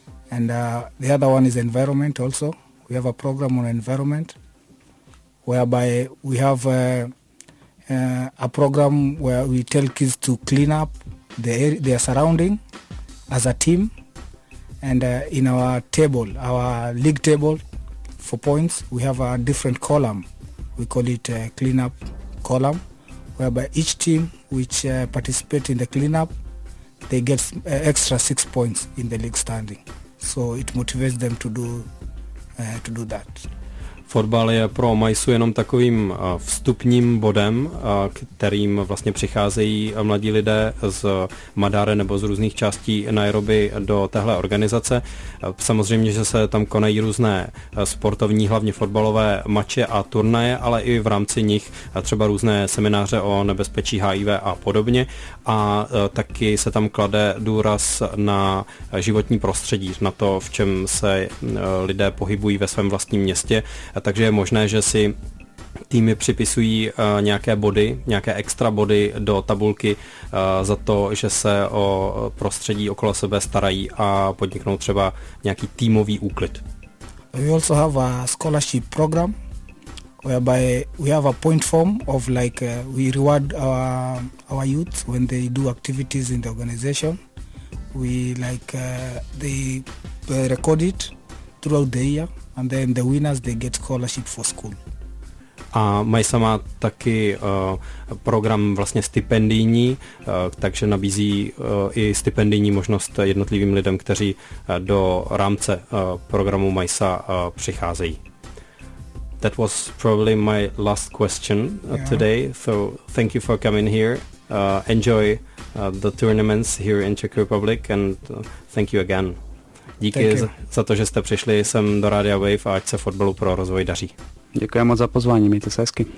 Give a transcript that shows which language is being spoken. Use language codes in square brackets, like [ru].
[en] And the other one is environment also. We have a program on environment whereby we have a program where we tell kids to clean up their surrounding as a team, and in our table, our league table for points, we have a different column. We call it a clean up column, whereby each team which participate in the clean up, they get extra 6 points in the league standing. So it motivates them to do that. [cs] Fotbal je pro MAISU jenom takovým vstupním bodem, kterým vlastně přicházejí mladí lidé z Madare nebo z různých částí Nairobi do téhle organizace. Samozřejmě, že se tam konají různé sportovní, hlavně fotbalové mače a turnaje, ale i v rámci nich třeba různé semináře o nebezpečí HIV a podobně. A taky se tam klade důraz na životní prostředí, na to, v čem se lidé pohybují ve svém vlastním městě. Takže je možné, že si týmy připisují nějaké body, nějaké extra body do tabulky za to, že se o prostředí okolo sebe starají a podniknou třeba nějaký týmový úklid. [en] We also have a scholarship program whereby we have a point form of like we reward our youth when they do activities in the organization. We like they record it throughout the year. And then the winners, they get scholarship for school. [cs] A MAISA má taky program vlastně stipendijní, takže nabízí i stipendijní možnost jednotlivým lidem, kteří do rámce programu MAISA přicházejí. [en] That was probably my last question today. So thank you for coming here. Enjoy the tournaments here in Czech Republic and thank you again. [cs] Díky za to, že jste přišli sem do Radia Wave a ať se Fotbalu pro rozvoj daří. Děkujeme moc za pozvání, mějte se hezky.